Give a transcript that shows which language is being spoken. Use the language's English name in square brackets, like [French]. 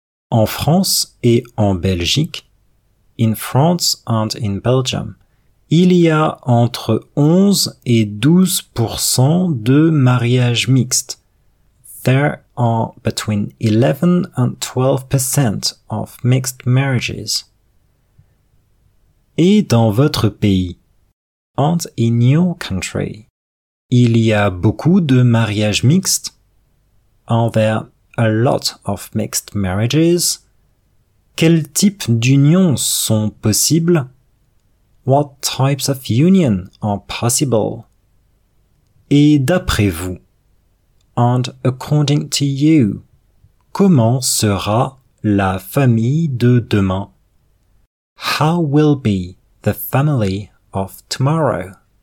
[French] En France et en Belgique, [English] in France and in Belgium, [French] il y a entre 11 et 12% de mariages mixtes. [English] There are between 11 and 12% of mixed marriages. [French] Et dans votre pays, [English] and in your country, [French] il y a beaucoup de mariages mixtes. [English] Are there a lot of mixed marriages? [French] Quels types d'unions sont possibles? [English] What types of union are possible? [French] Et d'après vous? [English] And according to you, [French] comment sera la famille de demain? [English] How will be the family of tomorrow?